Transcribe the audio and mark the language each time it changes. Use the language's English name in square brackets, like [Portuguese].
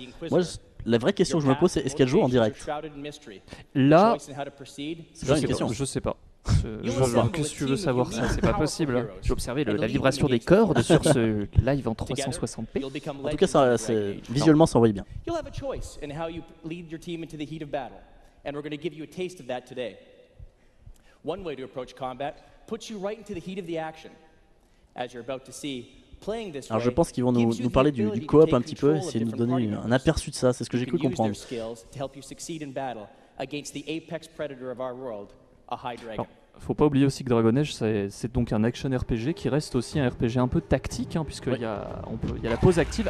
[French] Moi, la vraie question que je me pose, c'est est-ce qu'elle joue en direct? Là, je sais pas. Qu'est-ce que tu veux savoir, ça? C'est pas possible. J'ai observé la vibration des cordes sur ce live en 360p. En tout cas, c'est visuellement, ça envoie bien. [English] You'll have a choice in how you lead your team into the heat of battle, and we're going to give you a taste of that today. One way to approach combat puts you right into the heat of the action, as you're about to see. [French] Alors je pense qu'ils vont nous parler du co-op un petit peu, essayer de nous donner un aperçu de ça, c'est ce que j'ai cru comprendre. Alors, faut pas oublier aussi que Dragon Age, c'est donc un action RPG qui reste aussi un RPG un peu tactique, hein, puisqu'il y a la pause active.